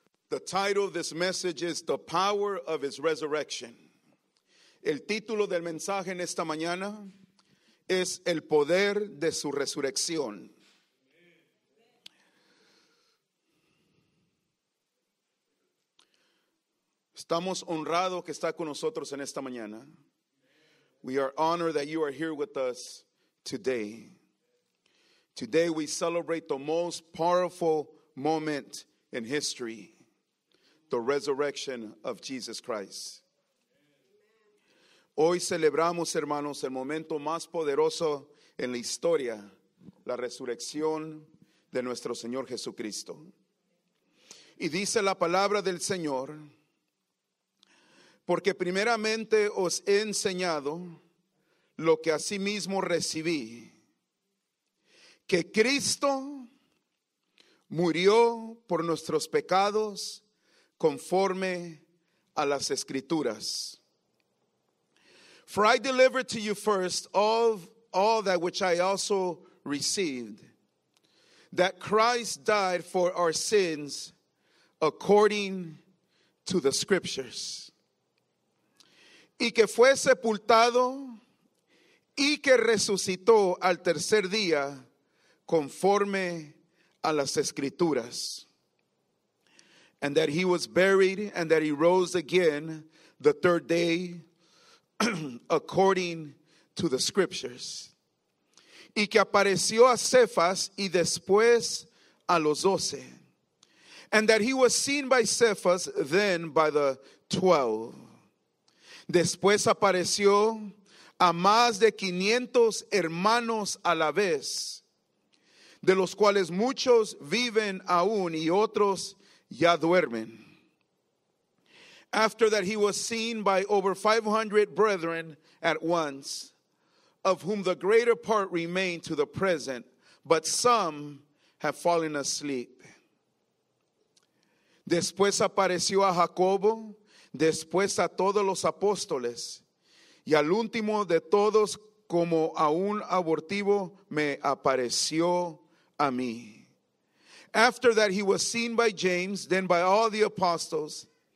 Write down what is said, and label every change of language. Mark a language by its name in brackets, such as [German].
[English] The title of this message is The Power of His Resurrection. [Spanish] El título del mensaje en esta mañana es El Poder de Su Resurrección. Estamos honrados que está con nosotros en esta mañana. [English] We are honored that you are here with us today. Today we celebrate the most powerful moment in history, the resurrection of Jesus Christ. [Spanish] Hoy celebramos, hermanos, el momento más poderoso en la historia, la resurrección de nuestro Señor Jesucristo. Y dice la palabra del Señor, porque primeramente os he enseñado lo que asimismo recibí, que Cristo murió por nuestros pecados conforme a las Escrituras. [English] For I delivered to you first all that which I also received, that Christ died for our sins according to the Scriptures, [Spanish] y que fue sepultado y que resucitó al tercer día conforme a las Escrituras, [English] and that he was buried and that he rose again the third day according to the Scriptures. [Spanish] Y que apareció a Cefas y después a los doce. [English] And that he was seen by Cefas, then by the 12. [Spanish] Después apareció a más de 500 hermanos a la vez, de los cuales muchos viven aún y otros ya duermen. [English] After that, he was seen by over 500 brethren at once, of whom the greater part remain to the present, but some have fallen asleep. [Spanish] Después apareció a Jacobo, después a todos los apóstoles, y al último de todos, como a un abortivo, me apareció a mí. [English] After that, he was seen by James, then by all the apostles.